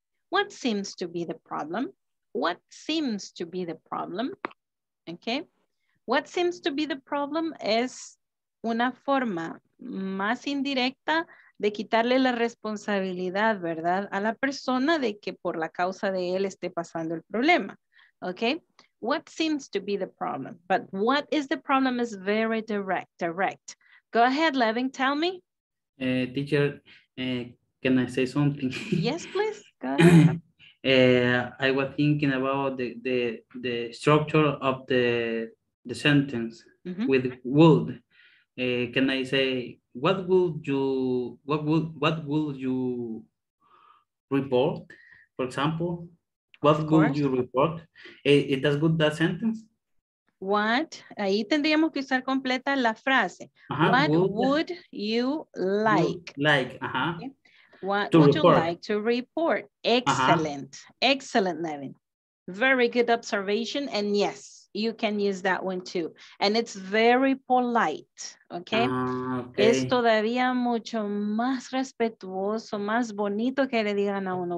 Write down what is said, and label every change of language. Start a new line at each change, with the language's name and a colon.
English: What seems to be the problem? What seems to be the problem? Okay. What seems to be the problem
Spanish: es una forma más indirecta de quitarle la responsabilidad, ¿verdad? A la persona de que por la causa de él esté pasando el problema.
English: Okay. What seems to be the problem? But what is the problem is very direct, direct. Go ahead, Levin, tell me. Teacher, can I say something? Yes, please. Go ahead. I was thinking about the structure of the sentence mm-hmm. with would. Can I say what would you report? For example, what would you report? Is that good, that sentence?
Spanish: What, ahí tendríamos que usar completa la frase. Uh-huh.
English: What would you like? Like, ajá. Uh-huh. Okay. What to would report. You like to report? Excellent, uh-huh. Excellent, Levin. Very good observation. And yes, you can use that one too. And it's very polite, okay? Okay.
Spanish: Es todavía mucho más respetuoso, más bonito que le digan a uno.